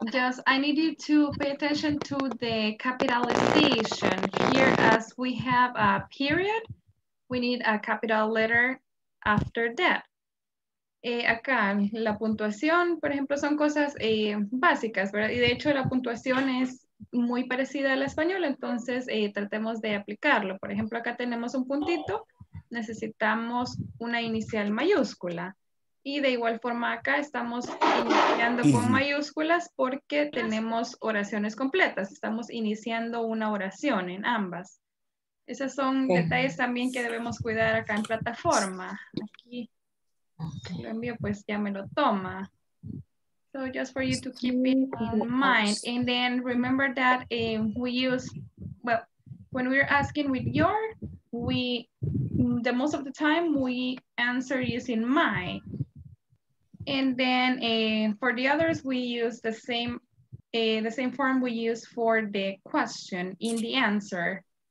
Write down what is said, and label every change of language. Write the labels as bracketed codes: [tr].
[en] Just I need you to pay attention to the capitalization here, as we have a period. We need a capital letter after that. [es] Acá la puntuación, por ejemplo, son cosas básicas, ¿verdad? Y de hecho la puntuación es muy parecida al español, entonces tratemos de aplicarlo. Por ejemplo, acá tenemos un puntito, necesitamos una inicial mayúscula. Y de igual forma acá estamos iniciando con mayúsculas porque tenemos oraciones completas. Estamos iniciando una oración en ambas. Esos son detalles también que debemos cuidar acá en plataforma. Aquí, el cambio pues ya me lo toma. [en] So just for you to keep it in mind. And then remember that we use, well, when we're asking with your, we, the most of the time we answer using my. And then for the others, we use the same form we use for the question in the answer.